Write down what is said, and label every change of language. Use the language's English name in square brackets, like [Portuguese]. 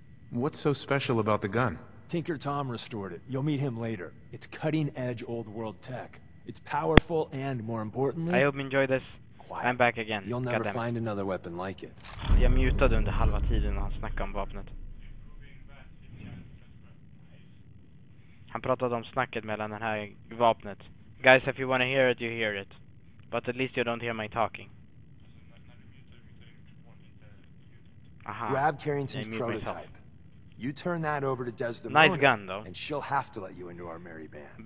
[English] What's so special about the gun? Tinker Tom restored it. You'll meet him later. It's cutting-edge old-world tech. It's powerful and, more importantly... I hope you enjoy this. Quiet. I'm back again. You'll never find another weapon like it. [Swedish] Jag mutade under halva tiden när han snackade om vapnet. Han pratade om snacket mellan den här vapnet. [English] Guys, if you want to hear it, you hear it. But at least you don't hear my talking. Aha. Grab Carrington's prototype. You turn that over to Desdemona, nice gun, though. And she'll have to let you into our merry band.